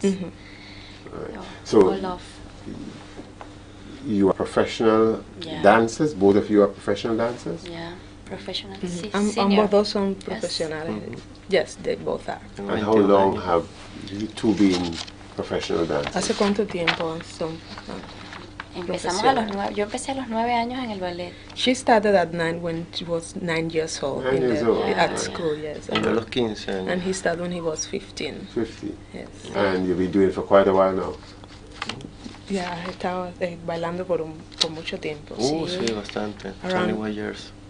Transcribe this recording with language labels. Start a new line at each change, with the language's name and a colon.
English: Mm-hmm. All right. So, you are professional dancers? Both of you are professional dancers? Yeah. I'm both also professional. Yes. Mm-hmm. Yes, they both are. And how long have you two been professional dancers?
Spanish: ¿Hace cuánto tiempo son? Yo empecé a los 9 años en el ballet.
English: She started at 9 when she was 9 years old. At school, yes.
Spanish: Y a los 15 años.
English: And he started when he was 15. 15. Yes. And you've been doing it for quite a while now. Yeah,
Spanish: he estaba bailando por mucho tiempo. Sí, bastante.
English: 21 years.